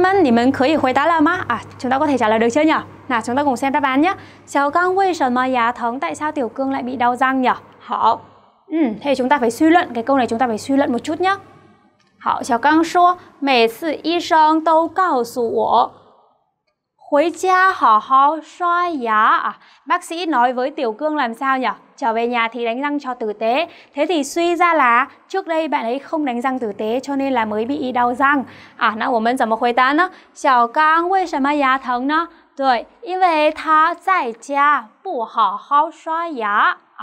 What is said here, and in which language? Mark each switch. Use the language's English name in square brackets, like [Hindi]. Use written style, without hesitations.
[Chinese] 每次医生都告诉我回家好好刷牙。好,同学们,你们可以回答了吗? 啊,请大家共同回答了。那请大家共同回答答案呀。小刚为什么牙疼,戴小丢 [Vietnamese] cương lại bị đau răng [Chinese] 呀? [Vietnamese] 好,嗯,chúng ta phải suy luận, cái câu này chúng ta phải suy luận một chút nhé. [Chinese] 好,小刚说,每次医生都告诉我, 回家好好刷牙. [Vietnamese] Bác sĩ nói với Tiểu Cương làm sao nhỉ? Trở về nhà thì đánh răng cho tử tế. Thế thì suy ra là trước đây bạn ấy không đánh răng tử tế cho nên là mới bị đau răng. À, nào, mình sẽ hồi tán nó. [Chinese] 小刚为什么牙疼呢? 对,因为他在家不好好刷牙.